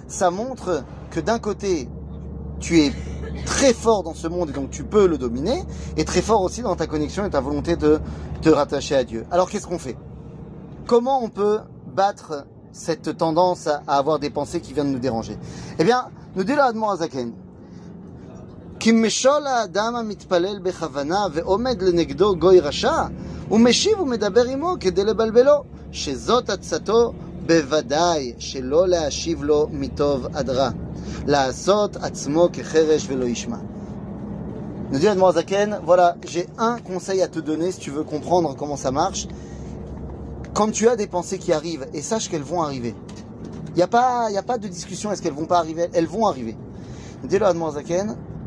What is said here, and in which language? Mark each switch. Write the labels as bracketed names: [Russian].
[French] Ça montre que d'un côté, tu es très fort dans ce monde et donc tu peux le dominer, et très fort aussi dans ta connexion et ta volonté de te rattacher à Dieu. Alors, qu'est-ce qu'on fait? Comment on peut battre cette tendance à avoir des pensées qui viennent nous déranger? Eh bien, nous dit l'Admor HaZaken, [Hebrew] כי משול האדם המתפלל בכוונה ועומד לנגדו גוי רשע, הוא משיב ומדבר עמו כדי לבלבלו, שזאת עצתו בוודאי שלא להשיב לו מטוב עד רע, לעשות עצמו כחרש ולא ישמע. נדיר אדמור זקן, [French] voilà, j'ai un conseil à te donner si tu veux comprendre comment ça marche. Quand tu as des pensées qui arrivent, et sache qu'elles vont arriver. Il n'y a pas de discussion, est-ce qu'elles vont pas arriver? Elles vont arriver. Dis-le Admor Zaken.